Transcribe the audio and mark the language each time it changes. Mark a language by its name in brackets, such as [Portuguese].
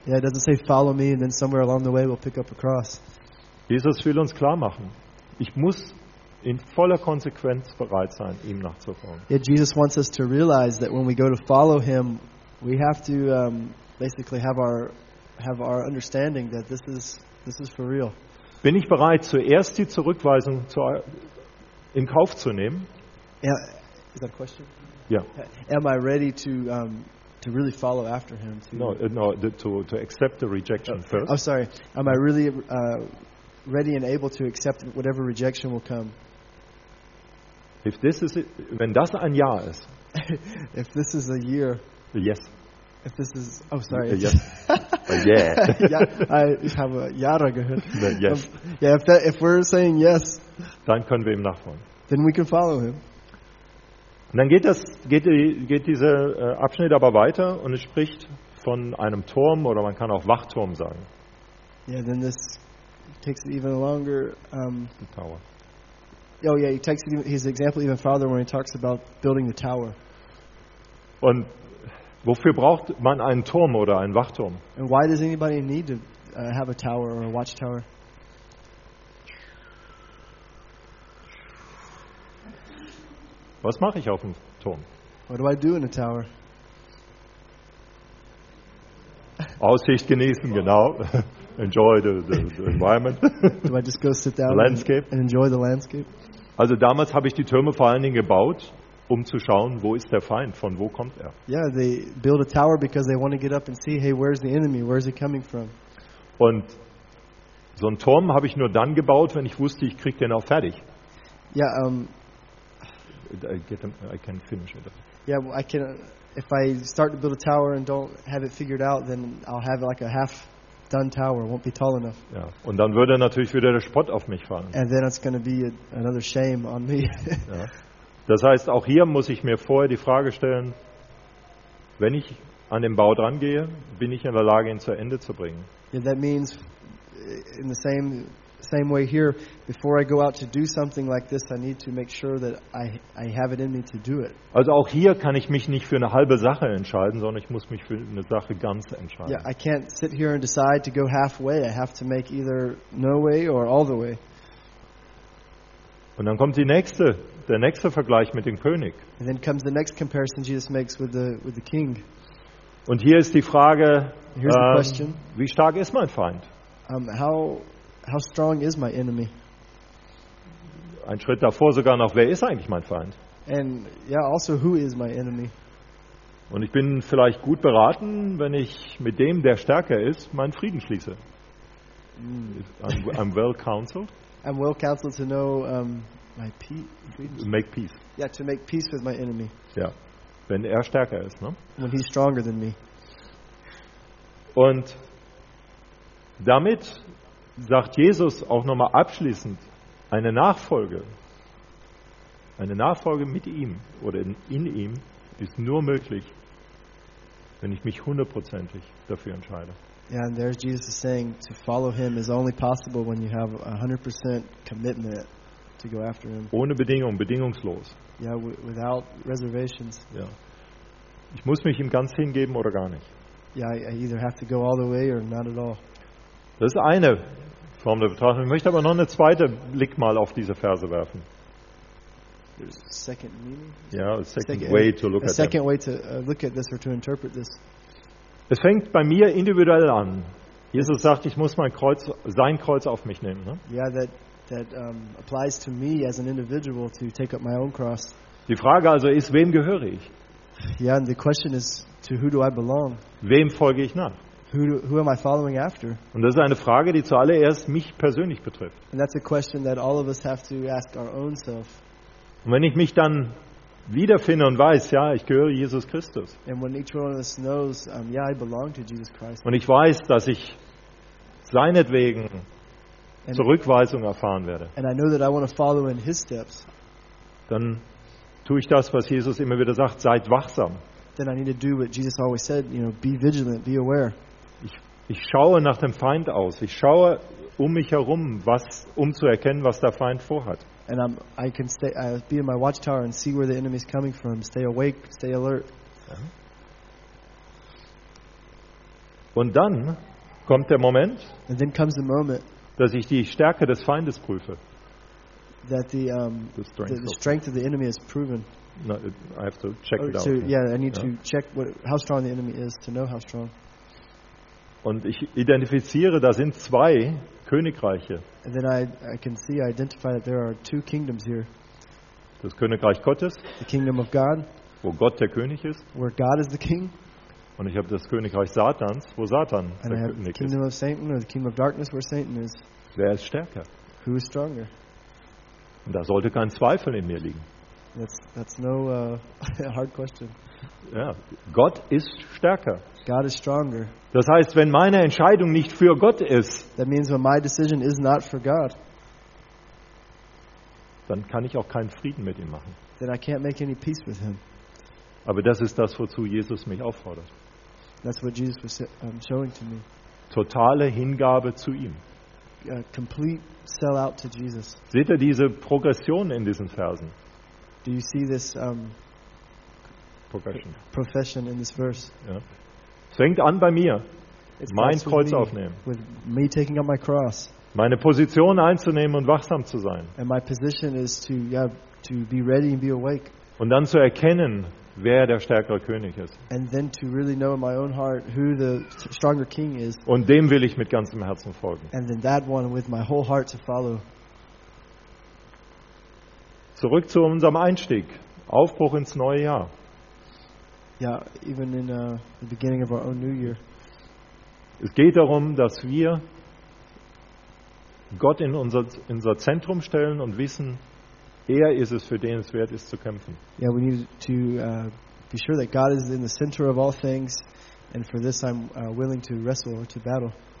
[English] Yeah, it doesn't say follow me and then somewhere along the way we'll pick up a cross. [German] Jesus will uns klar machen, ich muss in voller Konsequenz bereit sein, ihm nachzufolgen. [English] Yeah, Jesus wants us to realize that when we go to follow him, we have to basically have our understanding that this is for real. [German] Bin ich bereit, zuerst die Zurückweisung in Kauf zu nehmen? [English] Is that a question? Yeah. Am I ready to really follow after him? To accept the rejection first. I'm sorry. Am I really ready and able to accept whatever rejection will come? If this is it, [German] wenn das ein Ja ist. [English] If this is a year. Yes. If this is, oh sorry. Yes. Yeah. [German] Ja, ich habe Jahre gehört. [English] Yes. Yeah. If we're saying yes. [German] Dann können wir ihm nachfolgen. [English] Then we can follow him. [German] Und dann geht dieser Abschnitt aber weiter und es spricht von einem Turm oder man kann auch Wachturm sagen. [English] Yeah, then this takes it even longer. The tower. Oh yeah, he takes his example even farther when he talks about building the tower. [German] Und wofür braucht man einen Turm oder einen Wachturm? [English] And why does anybody need to have a tower or a watchtower? [German] Was mache ich auf dem Turm? [English] What do I do in a tower? [German] Aussicht genießen, genau. [English] Enjoy the environment. Do I just go sit down landscape? And enjoy the landscape? [German] Also damals habe ich die Türme vor allen Dingen gebaut, um zu schauen, wo ist der Feind, von wo kommt er. [English] Yeah, they build a tower because they want to get up and see, hey, where's the enemy, where's he coming from? [German] Und so einen Turm habe ich nur dann gebaut, wenn ich wusste, ich kriege den auch fertig. [English] Yeah, I can finish it. Yeah, I can. If I start to build a tower and don't have it figured out, then I'll have like a half done tower. It won't be tall enough. [German] Ja, und dann würde natürlich wieder der Spott auf mich fallen. [English] And then it's going to be another shame on me. [German] Ja. Das heißt, auch hier muss ich mir vorher die Frage stellen, wenn ich an den Bau dran gehe, bin ich in der Lage, ihn zu Ende zu bringen. [English] Yeah, that means in the same way here, before I go out to do something like this, I need to make sure that I have it in me to do it. [German] Also auch hier kann ich mich nicht für eine halbe Sache entscheiden, sondern ich muss mich für eine Sache ganz entscheiden. [English] Yeah, I can't sit here and decide to go halfway. I have to make either no way or all the way. [German] Und dann kommt der nächste Vergleich mit dem König. [English] And then comes the next comparison Jesus makes with the king. [German] Und hier ist die Frage, wie stark ist mein Feind? [English] How strong is my enemy? [German] Ein Schritt davor sogar noch, wer ist eigentlich mein Feind? [English] And yeah, also who is my enemy? [German] Und ich bin vielleicht gut beraten, wenn ich mit dem, der stärker ist, meinen Frieden schließe. [English] I'm well counseled. I'm well counseled to know my peace. Make peace. Yeah, to make peace with my enemy. [German] Ja, wenn er stärker ist, ne? [English] When he's stronger than me. [German] Und damit sagt Jesus auch nochmal abschließend, eine Nachfolge mit ihm oder in ihm ist nur möglich, wenn ich mich hundertprozentig dafür entscheide. [English] Yeah, and there's Jesus saying to follow him is only possible when you have 100% commitment to go after him. [German] Ohne Bedingung, bedingungslos. [English] Yeah, without reservations. [German] Ja. Ich muss mich ihm ganz hingeben oder gar nicht. [English] Yeah, I either have to go all the way or not at all. [German] Das ist eine Form der Betrachtung. Ich möchte aber noch eine zweite Blick mal auf diese Verse werfen. [English] There's a second meaning? Yeah, a second way to look at this or to interpret this. [German] Es fängt bei mir individuell an. Jesus sagt, ich muss sein Kreuz auf mich nehmen. Ne? [English] Yeah, that applies to me as an individual to take up my own cross. [German] Die Frage also ist, wem gehöre ich? [English] Yeah, and the question is, to who do I belong? [German] Wem folge ich nach? [English] Who am I following after? [German] Und das ist eine Frage, die zuallererst mich persönlich betrifft. [English] And that's a question that all of us have to ask our own self. [German] Und wenn ich mich dann wiederfinde und weiß, ja, ich gehöre Jesus Christus. [English] And when each one of us knows, yeah, I belong to Jesus Christ. [German] Und ich weiß, dass ich seinetwegen Zurückweisung erfahren werde. [English] And I know that I want to follow in his steps. [German] Dann tue ich das, was Jesus immer wieder sagt, seid wachsam. [English] Then I need to do what Jesus always said, you know, be vigilant, be aware. [German] Ich schaue nach dem Feind aus. Ich schaue um mich herum, um zu erkennen, was der Feind vorhat. [English] And I'll be in my watchtower and see where the enemy is coming from. Stay awake, stay alert. [German] Ja. Und dann kommt der Moment, [English] and then comes the moment, [German] dass ich die Stärke des Feindes prüfe. [English] That the strength of the enemy is proven. No, I have to check it out. I need to check how strong the enemy is to know how strong. [German] Und ich identifiziere, da sind zwei Königreiche. [English] And then I can see, I identify that there are two kingdoms here. [German] Das Königreich Gottes. [English] The kingdom of God. [German] Wo Gott der König ist. [English] Where God is the king. [German] Und ich habe das Königreich Satans, wo Satan [English] and [German] der [English] I have [German] König ist. [English] The kingdom of Satan or the kingdom of darkness where Satan is. [German] Wer ist stärker? [English] Who is stronger? [German] Und da sollte kein Zweifel in mir liegen. [English] That's no hard question. [German] Ja, Gott ist stärker. [English] God is stronger. [German] Das heißt, wenn meine Entscheidung nicht für Gott ist, [English] that means when my decision is not for God, [German] dann kann ich auch keinen Frieden mit ihm machen. [English] Then I can't make any peace with him. [German] Aber das ist das, wozu Jesus mich auffordert. [English] That's what Jesus was showing to me. [German] Totale Hingabe zu ihm. [English] A complete sellout to Jesus. [German] Seht ihr diese Progression in diesen Versen? [English] Do you see this profession in this verse? [German] Ja. Es fängt an bei mir, mein Kreuz aufnehmen. [English] With me taking up my cross. [German] Meine Position einzunehmen und wachsam zu sein. [English] And my position is to be ready and be awake. [German] Und dann zu erkennen, wer der stärkere König ist. [English] And then to really know in my own heart who the stronger king is. [German] Und dem will ich mit ganzem Herzen folgen. [English] And then that one with my whole heart to follow. [German] Zurück zu unserem Einstieg Aufbruch ins neue Jahr. [English] Ja, even in the beginning of our own new year. [German] Es geht darum, dass wir Gott in unser Zentrum stellen und wissen, er ist es, für den es wert ist zu kämpfen. [English] Yeah, we need to be sure that God is in the center of all things, and for this I'm willing to wrestle or to battle.